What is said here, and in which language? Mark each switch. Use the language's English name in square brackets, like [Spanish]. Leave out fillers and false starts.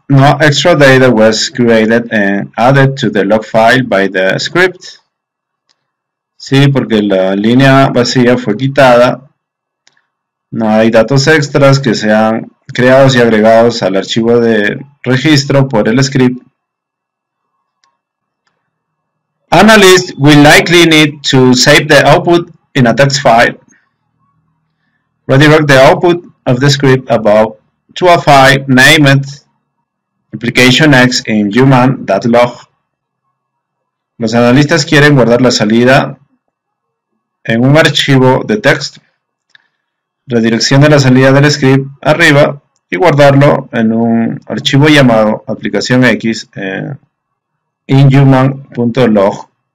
[English] No extra data was created and added to the log file by the script. [Spanish] Sí, porque la línea vacía fue quitada. No hay datos extras que sean creados y agregados al archivo de registro por el script. [English] Analyst will likely need to save the output in a text file. Redirect the output of the script above to a file named ApplicationX in human.log. [Spanish] Los analistas quieren guardar la salida en un archivo de texto. Redirección de la salida del script arriba y guardarlo en un archivo llamado ApplicationX in human.log.